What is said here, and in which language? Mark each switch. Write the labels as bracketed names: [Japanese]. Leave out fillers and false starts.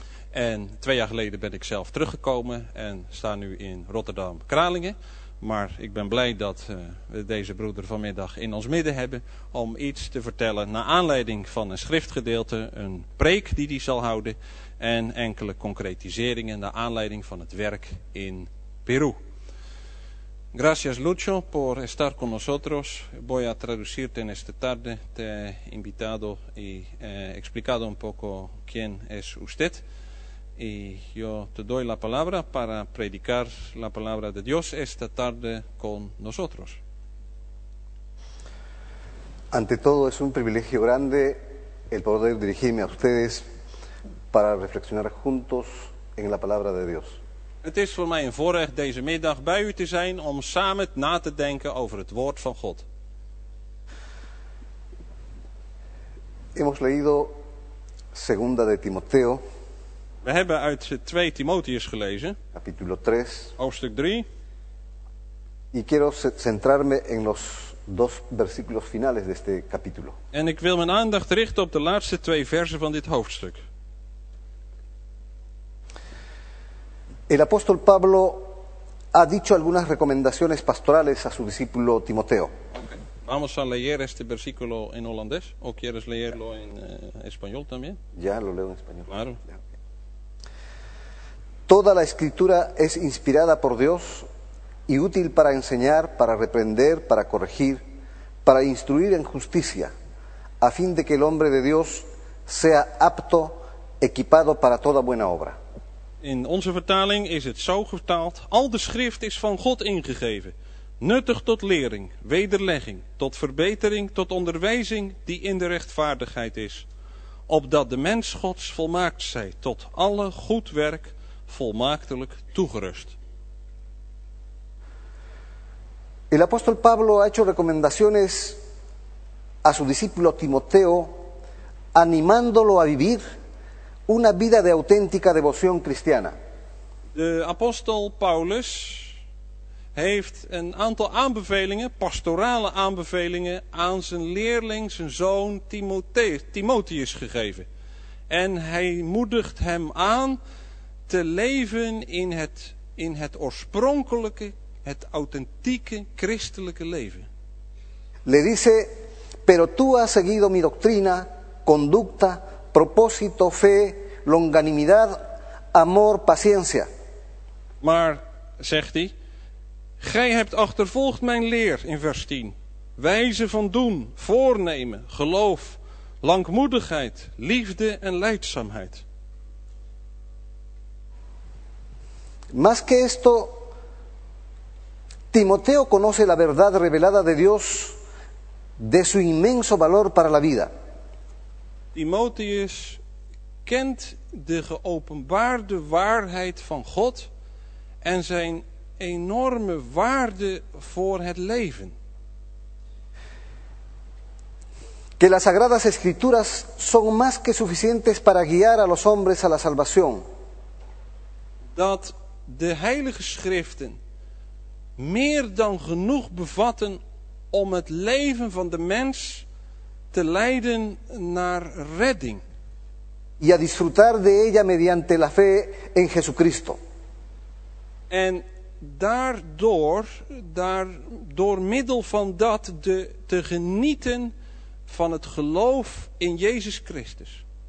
[Dutch] En 2 jaar geleden ben ik zelf teruggekomen en sta nu in Rotterdam-Kralingen. Maar ik ben blij dat we deze broeder vanmiddag in ons midden hebben om iets te vertellen naar aanleiding van een schriftgedeelte, een preek die hij zal houden en enkele concretiseringen naar aanleiding van het werk in Peru. [Spanish] Gracias Lucho por estar con nosotros. Voy a traducir en esta tarde, te invitado y explicado un poco quién es usted. Y yo te doy la palabra para predicar la palabra de Dios esta tarde con nosotros. Ante todo, es un privilegio grande el poder dirigirme a ustedes para reflexionar juntos en la palabra de Dios. [Dutch] Het is voor mij een voorrecht deze middag bij u te zijn om samen na te denken over het woord van God. [Spanish] Hemos leído Segunda de Timoteo. [Dutch] We hebben uit 2 Timotheus gelezen. [Spanish] Capítulo 3. [Dutch] Hoofdstuk 3. [Spanish] Y quiero centrarme en los 2 versículos finales de este capítulo. [Dutch] En ik wil mijn aandacht richten op de laatste 2 versen van dit hoofdstuk. [Spanish] El apóstol Pablo ha dicho algunas recomendaciones pastorales a su discípulo Timoteo. Okay. Vamos a leer este versículo en holandés o quieres leerlo en español también? Ya lo leo en español. Claro. Ya. Toda la escritura es inspirada por Dios y útil para enseñar, para reprender, para corregir, para instruir en justicia, a fin de que el hombre de Dios sea apto, equipado para toda buena obra. [Dutch] In onze vertaling is het zo vertaald: al de schrift is van God ingegeven, nuttig tot lering, wederlegging, tot verbetering, tot onderwijzing die in de rechtvaardigheid is, opdat de mens Gods volmaakt zij tot alle goed werk, volmaaktelijk toegerust. [Spanish] El apóstol Pablo ha hecho recomendaciones a su discípulo Timoteo, animándolo a vivir una vida de auténtica devoción cristiana. [Dutch] De apóstol Paulus heeft een aantal aanbevelingen, pastorale aanbevelingen, aan zijn leerling, zijn zoon Timotheus gegeven. En hij moedigt hem aan te leven in het oorspronkelijke, het authentieke christelijke leven. [Spanish] Le dice, pero tú has seguido mi doctrina, conducta, propósito, fe, longanimidad, amor, paciencia. [Dutch] Maar, zegt hij, gij hebt achtervolgd mijn leer, in vers 10. Wijze van doen, voornemen, geloof, langmoedigheid, liefde en leidzaamheid. [Spanish] Más que esto, Timoteo conoce la verdad revelada de Dios de su inmenso valor para la vida. [Dutch] Timotheus kent de geopenbaarde waarheid van God en zijn enorme waarde voor het leven. [Spanish] que las Sagradas Escrituras son más que suficientes para guiar a los hombres a la salvación. [Dutch] Dat de Heilige Schriften meer dan genoeg bevatten om het leven van de mens te leiden naar redding. [Spanish] Y a disfrutar de ella mediante la fe en Jesucristo. [Dutch] En daardoor middel van dat te genieten van het geloof in Jezus Christus.